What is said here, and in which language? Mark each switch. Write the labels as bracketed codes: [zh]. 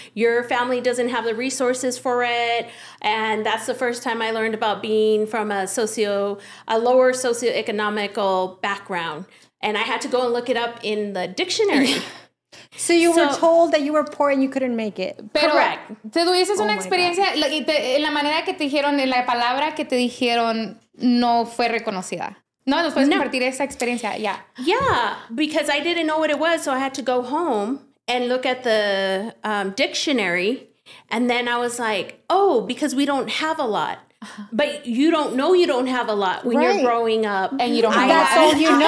[en] Your family doesn't have the resources for it. And that's the first time I learned about being from a lower socioeconomical background. And I had to go and look it up in the dictionary. So you were told that you were poor and you couldn't make it. [es] Pero, correct. Te tuviste una experiencia, en la manera que te dijeron, en la palabra que te dijeron, no fue reconocida. No, nos puedes compartir esa experiencia, yeah. [en] Yeah, because I didn't know what it was, so I had to go home and look at the dictionary. And then I was like, oh, because we don't have a lot. But you don't know you don't have a lot when you're growing up. And you don't have that's all you know.